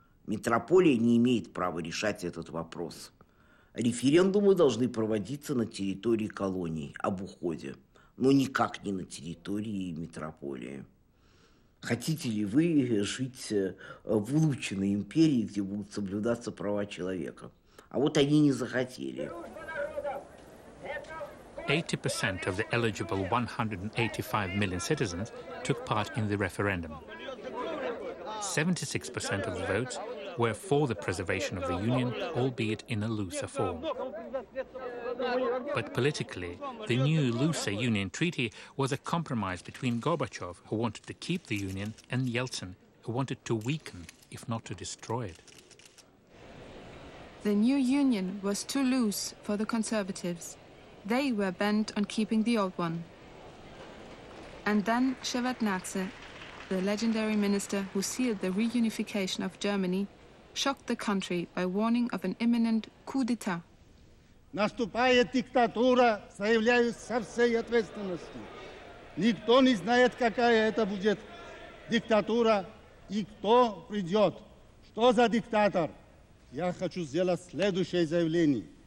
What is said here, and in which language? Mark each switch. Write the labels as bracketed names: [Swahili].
[Russian] Метрополия не имеет права решать этот вопрос. Референдумы должны проводиться на территории колоний об уходе, но никак не на территории метрополии. Хотите ли вы жить в улучшенной империи, где будут соблюдаться права человека? А вот они не захотели. [English] 80% of the eligible 185 million citizens took part in the referendum. 76% of the votes were for the preservation of the Union, albeit in a looser form. But politically, the new looser Union treaty was a compromise between Gorbachev, who wanted to keep the Union, and Yeltsin, who wanted to weaken, if not to destroy it. The new Union was too loose for the conservatives. They were bent on keeping the old one. And then Shevardnadze, the legendary minister who sealed the reunification of Germany, shocked the country by warning of an imminent coup d'etat. [Russian] Наступает диктатура, заявляю со всей ответственностью. Никто не знает, какая это будет диктатура и кто придет. Что за диктатор? Я хочу сделать следующее заявление.